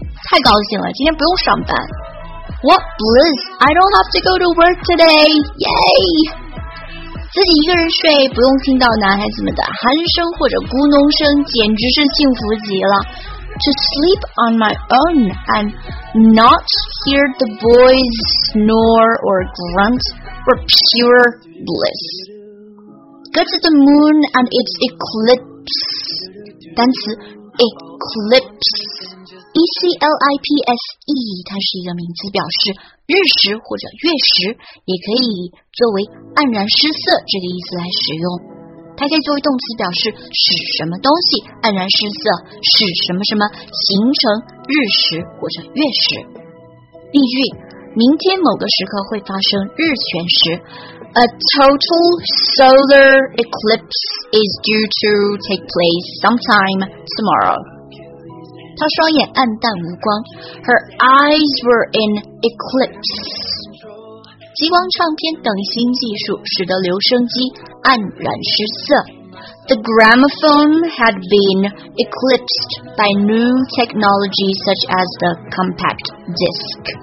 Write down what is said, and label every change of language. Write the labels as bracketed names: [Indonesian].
[Chinese] 太高兴了，今天不用上班。 [English] What bliss, I don't have to go to work today, yay! [Chinese] 自己一个人睡，不用听到男孩子们的鼾声或者咕哝声，简直是幸福极了。 [English] To sleep on my own and not hear the boys snore or grunt were pure bliss. Go to the moon and its eclipse. [Chinese] 单词 eclipse, E-C-L-I-P-S-E, 它是一个名词，表示日食或者月食，也可以作为黯然失色这个意思来使用。它可以作为动词，表示使什么东西黯然失色，使什么什么形成日食或者月食。例句，明天某个时刻会发生日全食。 [English] A total solar eclipse is due to take place sometime tomorrow. [Chinese] 她双眼暗淡无光 ， [English] Her eyes were in eclipse. [Chinese] 激光唱片等新技术使得留声机黯然失色。 [English] The gramophone had been eclipsed by new technology such as the compact disc.